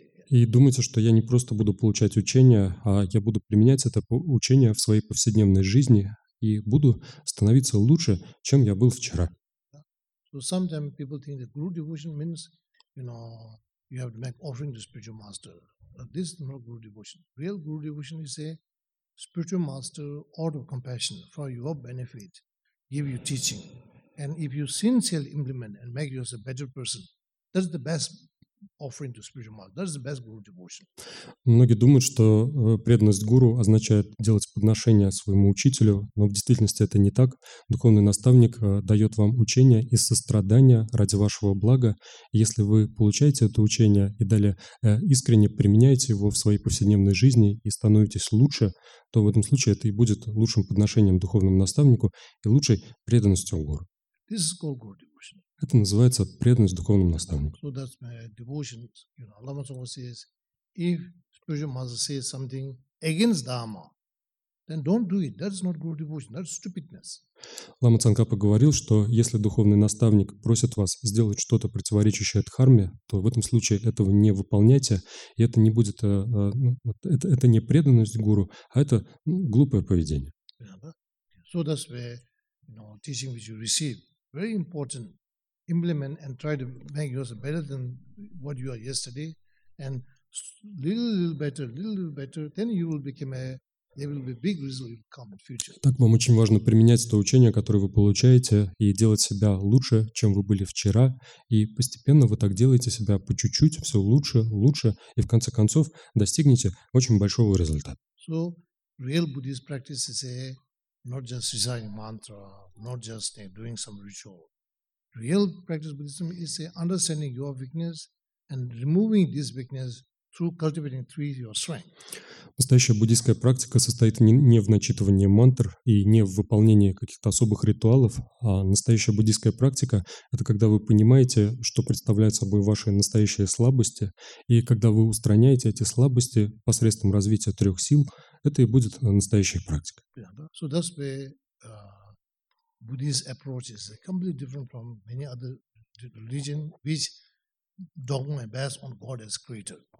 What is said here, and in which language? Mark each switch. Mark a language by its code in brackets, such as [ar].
[ru] И думайте, что я не просто буду получать учение, а я буду применять это учение в своей повседневной жизни и буду становиться лучше, чем я был вчера. [en] So sometimes people think that guru devotion means, you know, you have to make offering to spiritual master. But this is not guru devotion. Real guru devotion is a spiritual master out of compassion for your benefit, give you teaching. And if you sincerely implement and make yourself a better person, that's the best. Offering to spiritual master. That is the best guru devotion. [ru] Многие думают, что преданность гуру означает делать подношение своему учителю, но в действительности это не так. Духовный наставник дает вам учение из сострадания ради вашего блага. Если вы получаете это учение и далее искренне применяете его в своей повседневной жизни и становитесь лучше, то в этом случае это и будет лучшим подношением духовному наставнику и лучшей преданностью гуру. [en] This is called guru devotion. [ru] Это называется преданность духовному наставнику. [en] So that's my devotion. You know, Lama Tsongkhapa says, if spiritual master says something against Dharma, then don't do it. That's not guru devotion. That's stupidness. [ru] Лама Цанкапа говорил, что если духовный наставник просит вас сделать что-то противоречащее дхарме, то в этом случае этого не выполняйте, и это не будет, это не преданность гуру, а это глупое поведение. [en] So that's where, you know, teaching which you receive very important. Implement and try to make yourself better than what you are yesterday, and little better, then you will become a. There will be big result will come in future. [ru] Так вам очень важно применять то учение, которое вы получаете, и делать себя лучше, чем вы были вчера, и постепенно вы так делаете себя по чуть-чуть все лучше, лучше, и в конце концов достигнете очень большого результата. [en] So, real Buddhist practice is a not just reciting mantra, not just doing some ritual. Real practice Buddhism is understanding your weakness and removing this weakness through cultivating three your strength. [ru] Настоящая буддийская практика состоит не в начитывании мантр и не в выполнении каких-то особых ритуалов, а настоящая буддийская практика – это когда вы понимаете, что представляют собой ваши настоящие слабости, и когда вы устраняете эти слабости посредством развития трех сил, это и будет настоящая практика. [en] So that's the Buddhist approach is completely different from many other religions, which dogma based on God as creator.